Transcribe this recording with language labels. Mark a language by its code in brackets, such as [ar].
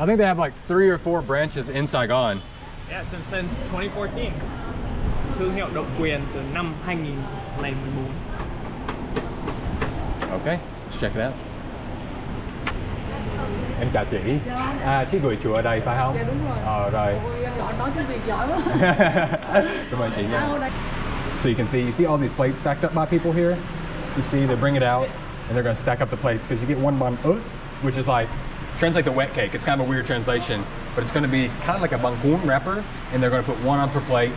[en] I think they have like 3 or 4 branches in Saigon. Yeah, since 2014. [vi] Thương hiệu độc quyền từ năm 2014. [en] Okay, let's check it out. [vi] Em chào chị. À, chị gửi chùa ở đây phải không? Dạ đúng rồi. Ờ rồi. Đón cái việc giỏi quá. Cảm ơn chị nha. [en] So you see all these plates stacked up by people here? You see, they bring it out and they're gonna stack up the plates because you get one bánh ướt, which is like, translate the wet cake. It's kind of a weird translation, but it's gonna be kind of like a bánh cuốn wrapper, and they're gonna put one on per plate.